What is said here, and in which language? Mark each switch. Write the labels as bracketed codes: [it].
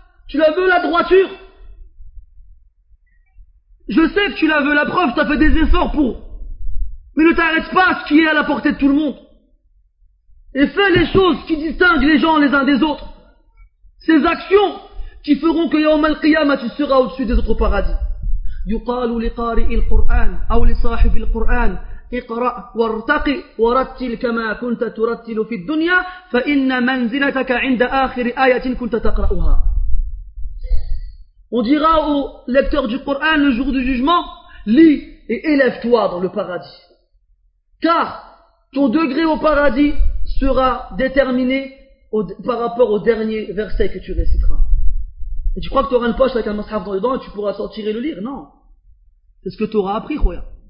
[fr] Tu la veux la droiture? Je sais que tu la veux, la preuve, t'as fait des efforts pour. Mais ne t'arrête pas à ce qui est à la portée de tout le monde. Et fais les choses qui distinguent les gens les uns des autres. Ces actions qui feront que yawm al-qiyama tu seras au-dessus des autres paradis. [ar] يقال لقارئ القرآن أو لصاحب القرآن اقرأ وارتق ورتل كما كنت ترتل في الدنيا فإن منزلتك عند آخر آية كنت تقرأها. [fr] On dira au lecteur du Coran le jour du jugement, lis et élève-toi dans le paradis. Car ton degré au paradis sera déterminé par rapport au dernier verset que tu réciteras. Et tu crois que tu auras une poche avec un mashaf dans les dents et tu pourras sortir et le lire? Non. C'est ce que tu auras appris, khoya.